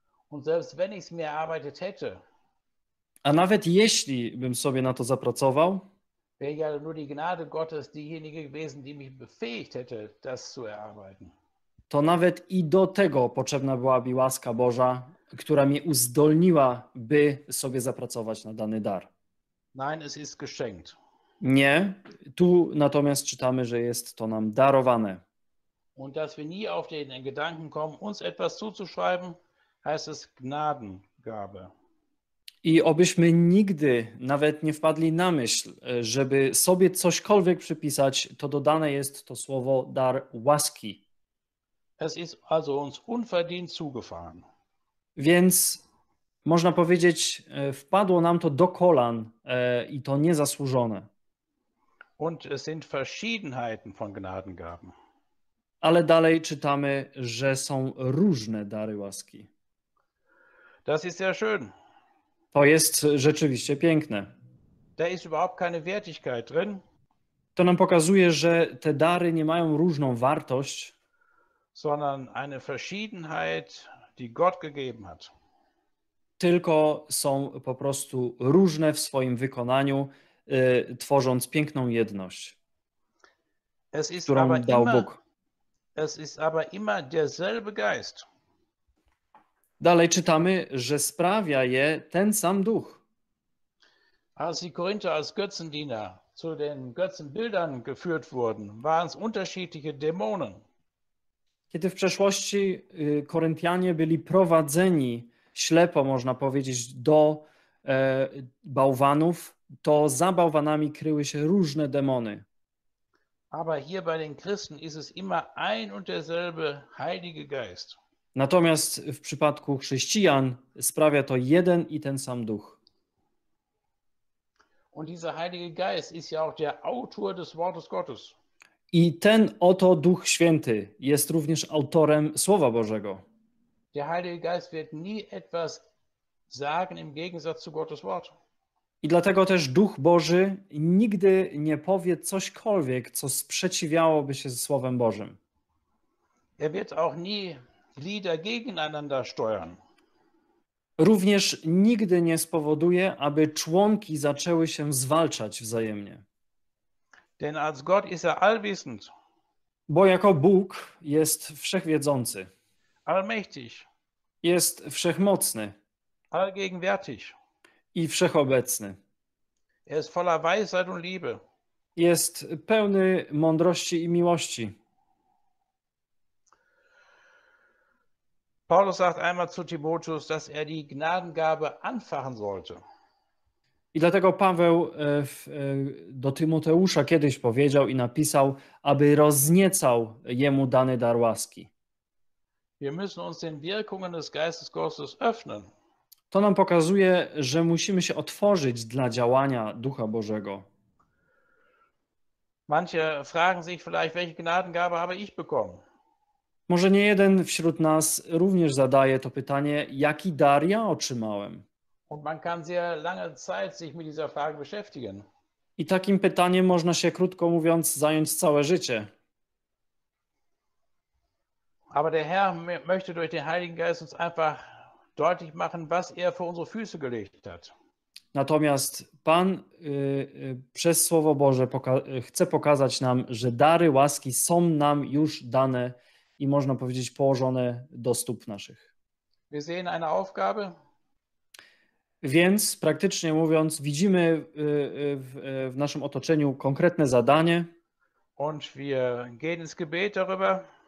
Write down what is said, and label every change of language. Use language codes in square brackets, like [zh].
[de] Und selbst wenn ich es mir erarbeitet hätte, [pl] a nawet jeśli bym sobie na to zapracował, [de] wäre ja nur die Gnade Gottes diejenige gewesen, die mich befähigt hätte, das zu erarbeiten. [pl] To nawet i do tego potrzebna byłaby łaska Boża, która mnie uzdolniła, by sobie zapracować na dany dar. [de] Nein, es ist geschenkt. [pl] Nie, tu natomiast czytamy, że jest to nam darowane. [de] Und dass wir nie auf den Gedanken kommen, uns etwas zuzuschreiben, heißt es Gnadengabe. [pl] I obyśmy nigdy nawet nie wpadli na myśl, żeby sobie cośkolwiek przypisać, to dodane jest to słowo dar łaski. [de] Es ist also uns unverdient zugefahren. [pl] Więc można powiedzieć, wpadło nam to do kolan i to niezasłużone. [de] Und es sind Verschiedenheiten von Gnadengaben. [pl] Ale dalej czytamy, że są różne dary łaski. [de] Das ist ja schön. [pl] To jest rzeczywiście piękne. [de] Da ist überhaupt keine Wertigkeit drin. [pl] To nam pokazuje, że te dary nie mają różną wartość, [de] sondern eine Verschiedenheit, die Gott gegeben hat. [pl] Tylko są po prostu różne w swoim wykonaniu, tworząc piękną jedność, [de] es ist [pl] którą [de] aber [pl] dał [de] immer, [pl] Bóg. [de] es ist aber immer derselbe Geist. [pl] Dalej czytamy, że sprawia je ten sam duch. [de] Als die Korinther als Götzendiener zu den Götzenbildern geführt wurden, waren es unterschiedliche Dämonen. [pl] Kiedy w przeszłości Koryntianie byli prowadzeni ślepo, można powiedzieć, do bałwanów, to za bałwanami kryły się różne demony. [de] Aber hier bei den Christen ist es immer ein und derselbe Heilige Geist. [pl] Natomiast w przypadku chrześcijan sprawia to jeden i ten sam duch. [de] Und dieser Heilige Geist ist ja auch der Autor des Wortes Gottes. [pl] I ten oto Duch Święty jest również autorem Słowa Bożego. [de] Der Heilige Geist wird nie etwas sagen im Gegensatz zu Gottes Wort. [pl] I dlatego też Duch Boży nigdy nie powie cośkolwiek, co sprzeciwiałoby się ze Słowem Bożym. [de] Er wird auch nie Lieder gegeneinander steuern. [pl] Również nigdy nie spowoduje, aby członki zaczęły się zwalczać wzajemnie. [de] Denn als Gott ist er allwissend. [pl] Bo jako Bóg jest wszechwiedzący. [de] Allmächtig. [pl] Jest wszechmocny. [de] Allgegenwärtig. [pl] I wszechobecny. [de] Er ist voller Weisheit und Liebe. [pl] Jest pełny mądrości i miłości. [de] Paulus sagt einmal zu Timotheus, dass er die Gnadengabe anfachen sollte. [pl] I dlatego Paweł do Tymoteusza kiedyś powiedział i napisał, aby rozniecał jemu dany dar łaski. [de] Wir müssen uns den Wirkungen des Geistes Gottes öffnen. [pl] To nam pokazuje, że musimy się otworzyć dla działania Ducha Bożego. [de] Manche fragen sich vielleicht, welche Gnadengabe habe ich bekommen? [pl] Może nie jeden wśród nas również zadaje to pytanie, jaki dar ja otrzymałem. [de] Und man kann sehr lange Zeit sich mit dieser Frage beschäftigen. [pl] I takim pytaniem można się, krótko mówiąc, zająć całe życie. [de] Aber der Herr möchte durch den Heiligen Geist uns einfach deutlich machen, was er für unsere Füße gelegt hat. [pl] Natomiast Pan przez Słowo Boże chce pokazać nam, że dary łaski są nam już dane i, można powiedzieć, położone do stóp naszych. [de] Wir sehen eine Aufgabe. [pl] Więc, praktycznie mówiąc, widzimy w naszym otoczeniu konkretne zadanie. [de] Und wir gehen ins Gebet darüber.